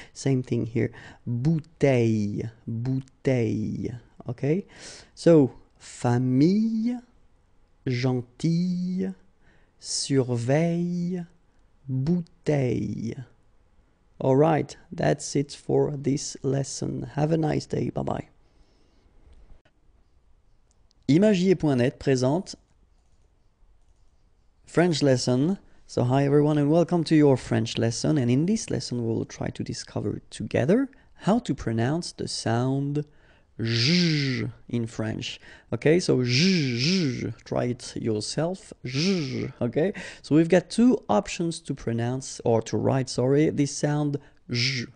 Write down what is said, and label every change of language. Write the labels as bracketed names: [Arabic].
[English] Same thing here. Bouteille, bouteille, okay? So, famille, gentille, surveille, bouteille. All right, that's it for this lesson. Have a nice day, bye-bye. [French] Imagier.net présente [English] French lesson. So hi everyone and welcome to your French lesson. And in this lesson we will try to discover together how to pronounce the sound j in French. Okay, so j, try it yourself, j, okay? So we've got two options to pronounce or to write, sorry, this sound j.